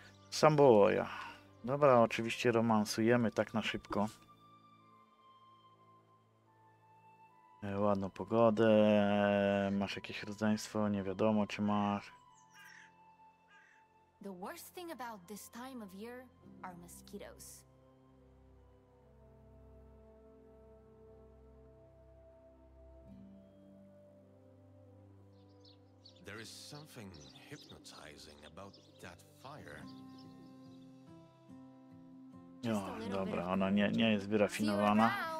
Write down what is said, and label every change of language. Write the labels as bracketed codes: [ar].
[pl] Samboja. Dobra, oczywiście romansujemy tak na szybko. Ładną pogodę. Masz jakieś rodzeństwo? Nie wiadomo, czy masz. [en] The worst thing about this time of year are mosquitoes. There is something hypnotizing about that fire. [pl] No, dobra, ona nie jest wyrafinowana.